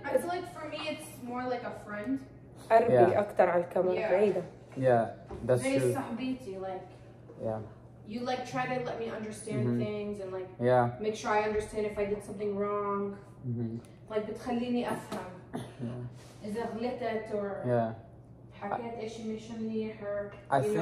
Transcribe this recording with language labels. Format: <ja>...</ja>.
<en>I feel like for me it's more like a friend.</en> <ar>أربي أكتر على الكاميرا بعيدة.</ar> <en>Yeah, that's true.</en> <ar>زي صاحبتي like.</ar> <en>Yeah. You like try to let me understand things and like yeah. make sure I understand if I did something wrong. Like</en> <ar>بتخليني أفهم.</ar> <en>Yeah.</en> <ar>إذا غلطت or.</ar> <en>Yeah.</en> <ar>حكيت إشي مش منيح or.</ar>